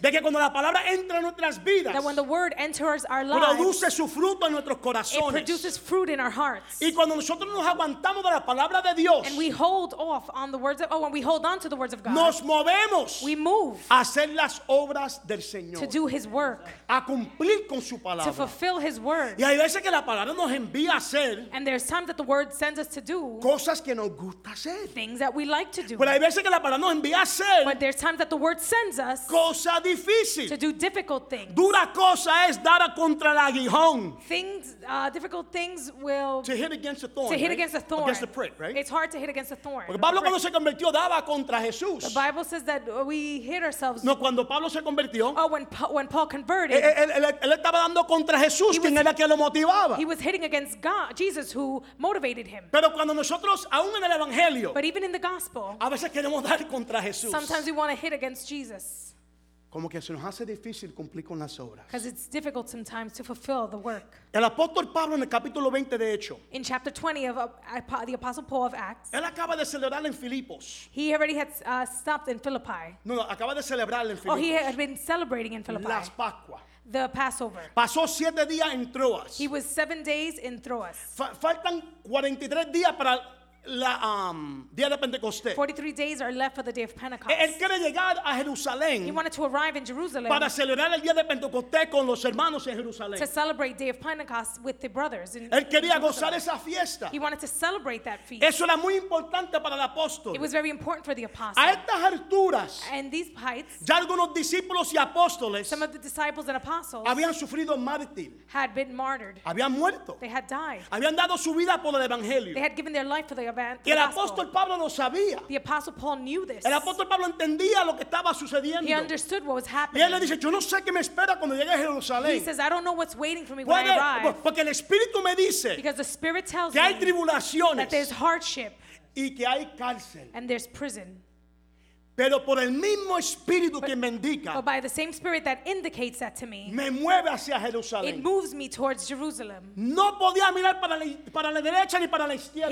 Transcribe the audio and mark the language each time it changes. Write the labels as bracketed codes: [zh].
[es] de que cuando la palabra entra en nuestras vidas, [en] that when the word enters our lives, [es] produce su fruto en nuestros corazones, [en] it produces fruit in our hearts, [es] y cuando nosotros nos aguantamos de la palabra de Dios, [en] and we hold off on the words of, oh, when we hold on to the words of God, [es] nos movemos, [en] we move, [es] a hacer las obras del Señor, [en] to do His work, [es] a cumplir con su palabra, [en] to fulfill His word, [es] y hay veces que la palabra nos envía a hacer, [en] and there's times that the word sends us to do, [es] cosas que nos gusta hacer, [en] things that we like to do, [es] pero hay veces que la palabra nos envía [en] but there's times that the word sends us [es] cosa difícil, [en] to do difficult things. [es] Dura cosa es dar contra el aguijón. [en] Things, difficult things will to hit against a thorn. To hit against a thorn. Against the prick, right? It's hard to hit against a thorn. [es] Porque Pablo cuando se convirtió daba contra Jesús. [en] The Bible says that we hit ourselves. [es] No, cuando Pablo se convirtió. [en] Oh, when Paul converted. [es] Él estaba dando contra Jesús, quien era quien lo motivaba. [en] He was hitting against God, Jesus, who motivated him. [es] Pero cuando nosotros, aún en el evangelio, [en] but even in the gospel, [es] a veces queremos dar contra. [en] Sometimes we want to hit against Jesus. [es] Como que se nos hace difícil cumplir con las obras. [en] Because it's difficult sometimes to fulfill the work. [es] El apóstol Pablo en el capítulo 20 de Hechos. [en] In chapter 20 of the Apostle Paul of Acts. [es] Él acaba de celebrar en Filipos. [en] He already had stopped in Philippi. [es] No, acaba de celebrar en Filipos. [en] Oh, he had been celebrating in Philippi. [es] Las Pascuas. [en] The Passover. [es] Pasó 7 días en Troas. [en] He was 7 days in Troas. [es] Faltan 43 días para la, día de Pentecostés. [en] 43 days are left for the day of Pentecost. [es] Él quiere llegar a Jerusalén. [en] He wanted to arrive in Jerusalem [es] para celebrar el día de Pentecostés con los hermanos en Jerusalén. [en] To celebrate day of Pentecost with the brothers in, [es] él quería [en] in [es] gozar esa fiesta. [en] He wanted to celebrate that feast. [es] Eso era muy importante para el apóstol. [en] It was very important for the apostle. [es] A estas alturas, [en] and these heights, [es] ya algunos discípulos y apóstoles, [en] some of the disciples and apostles, [es] habían sufrido mártir. [en] Had been martyred. [es] Habían muerto. [en] They had died. [es] Habían dado su vida por el evangelio. [en] They had given their life for the [es] y el apóstol Pablo lo sabía. [en] The apostle Paul knew this. [es] El apóstol Pablo entendía lo que estaba sucediendo. [en] He understood what was happening. [es] Y él le dice, yo no sé qué me espera cuando llegue a Jerusalén. [en] He says, I don't know what's waiting for me when I arrive. [es] Porque el Espíritu me dice. [en] Because the Spirit tells [es] que hay tribulaciones. [en] That there's hardship. [es] Y que hay cárcel. [en] And there's prison. [es] Pero por el mismo Espíritu que me indica. [en] But by the same Spirit that indicates that to me. [es] Me mueve hacia Jerusalén. [en] It moves me towards Jerusalem. [es] No podía mirar para la derecha ni para la izquierda.